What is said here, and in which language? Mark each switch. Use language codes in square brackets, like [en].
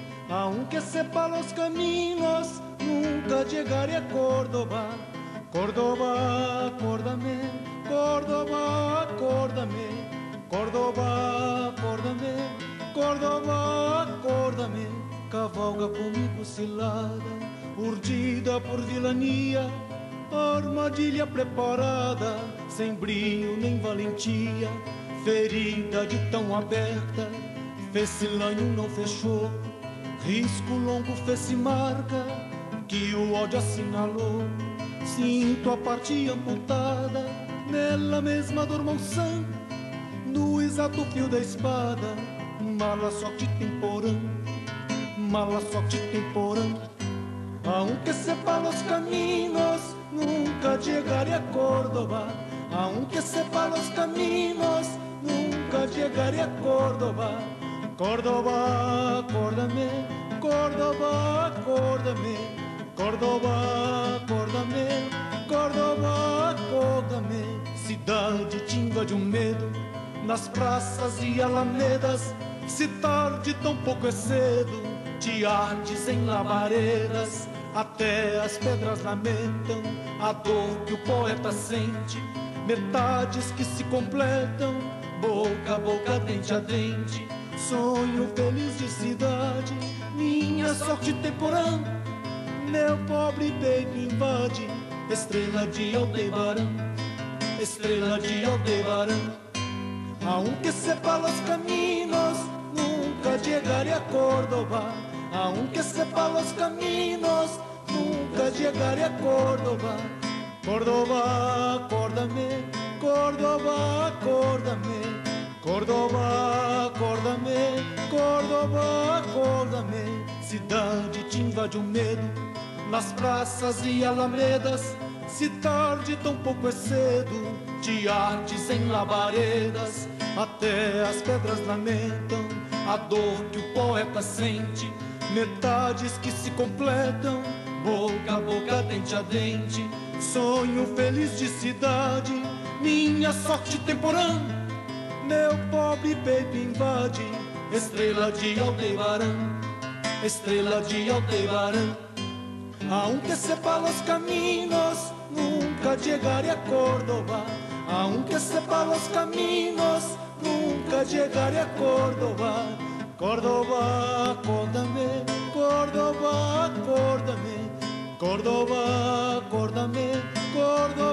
[es] Aunque sepa los caminos, nunca llegaré a Córdoba. Córdoba, acuérdame, Córdoba, acuérdame. Córdoba, acuérdame, Córdoba, acuérdame. [pt] Cavalga comigo cilada, urdida por vilania, armadilha preparada, sem brio nem valentia, ferida de tão aberta, fez-se lanho, não fechou, risco longo fez-se marca, que o ódio assinalou. Sinto a parte amputada, nela mesma dormou sangue, no exato fio da espada, mala sorte temporã, mala sorte temporã. [es] Aunque sepa los caminos, nunca llegaré a Córdoba. Aunque sepa los caminos, nunca llegaré a Córdoba. Córdoba, acuérdame, Córdoba, acuérdame. Córdoba, acuérdame, Córdoba, acuérdame. [pt] Cidade tinga de medo, nas praças e alamedas, se tarde tão pouco é cedo, de artes em labaredas. Até as pedras lamentam a dor que o poeta sente, metades que se completam, boca a boca, dente a dente. Sonho feliz de cidade, minha sorte temporã, meu pobre peito invade, estrela de Aldebaran, estrela de Aldebaran. [es] Aunque sepa los caminos, nunca llegaré a Córdoba. Aunque sepa los caminos, nunca llegaré a Córdoba. Córdoba, acuérdame, Córdoba, acuérdame. Córdoba, acuérdame, Córdoba, acuérdame. [pt] Cidade te invade o medo, nas praças e alamedas, se tarde tão pouco é cedo, de artes em labaredas. Até as pedras lamentam a dor que o poeta sente, metades que se completam, boca a boca, dente a dente. Sonho feliz de cidade, minha sorte temporã, meu pobre peito invade, estrela de Aldebaran, estrela de Aldebaran. [es] Aunque sepa los caminos, nunca llegaré a Córdoba. Aunque sepa los caminos, nunca llegaré a Córdoba. Córdoba, acuérdame, Córdoba, acuérdame. Córdoba, acuérdame, Córdoba.